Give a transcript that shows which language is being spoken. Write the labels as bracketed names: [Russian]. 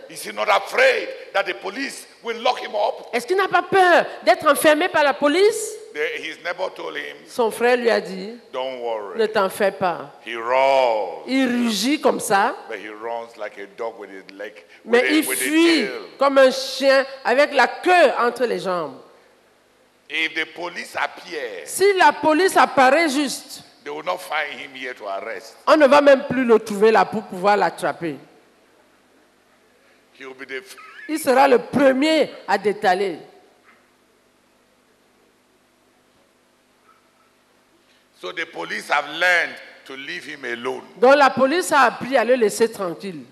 [English] Is he not afraid that the police will lock him up? [French] Est-ce qu'il n'a pas peur d'être enfermé par la police? [English] His neighbor told him. [French] Son frère lui a dit. [English] Don't worry. [French] Ne t'en fais pas. [English] He roars. [French] Il rugit comme ça. [English] But he runs like a dog with his leg. [French] Mais il fuit comme un chien avec la queue entre les jambes. [English] If the police appear. [French] Si la police apparaît juste. [English] They will not find him here to arrest. [French] On ne va même plus le trouver là pour pouvoir l'attraper. [English] He will be the [French] il sera le premier à détaler. [English] So the police have learned to leave him alone. [French] Donc la police a appris à le laisser tranquille.